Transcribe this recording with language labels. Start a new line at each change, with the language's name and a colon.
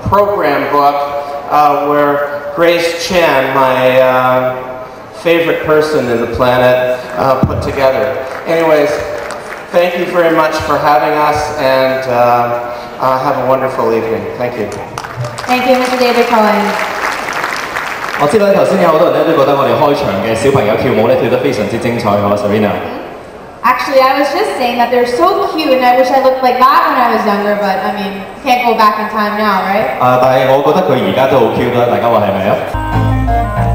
English: program book where Grace Chan, my favorite person in the planet, put together. Anyways, thank you very much for having us, and have a wonderful evening. Thank you. Thank you, Mr. David Cohen.
Chinese: 我知道剛才有很多人都覺得我們開場的小朋友跳舞跳得非常精彩，Serena。
English: Actually, I was just saying that they're so cute and I wish I looked like that when I was younger, but I mean, can't go back in time now, right?
Chinese: 但是我覺得他現在都很cute,大家說是不是?